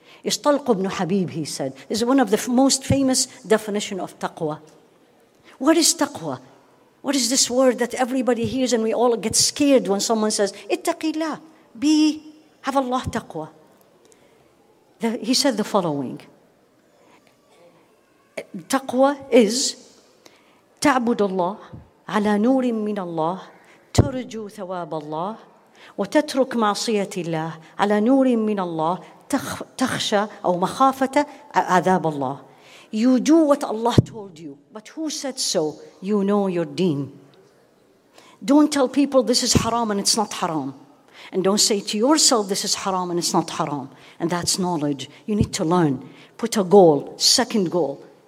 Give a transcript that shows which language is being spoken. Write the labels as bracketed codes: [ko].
[en] Is Talq ibn Habib, he said, is one of the most famous definition of taqwa. What is taqwa? What is this word that everybody hears and we all get scared when someone says, ittaqillah, be, have Allah taqwa. He said the following. Taqwa is [ar] تعبد الله على نور من الله ترجو ثواب الله وتترك معصية الله على نور من الله تخشى أو مخافة عذاب الله. [en] You do what Allah told you. But who said so? You know your deen. Don't tell people this is haram and it's not haram. And don't say to yourself this is haram and it's not haram. And that's knowledge. You need to learn. Put a goal, second goal.